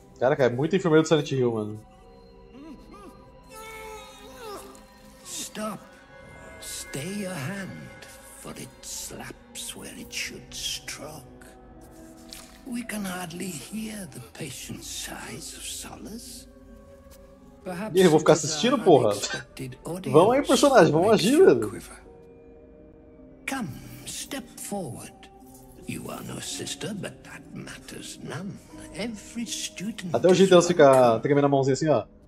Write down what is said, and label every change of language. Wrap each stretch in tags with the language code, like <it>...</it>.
<pt>Caraca, é muito enfermeiro do Silent Hill, mano.</pt> <en>Stop. Stay your hand, for it slaps where it should stroke. We can hardly hear the patient's sighs of solace.</en> <pt>Perhaps eu vou ficar assistindo, porra. Vamos aí, personagem, vamos agir, velho.</pt> <en>Come, step forward. You are no sister, but that matters none. Every student.</en> <pt>Até o jeito dela ficar tremendo a mãozinha assim, ó.</pt>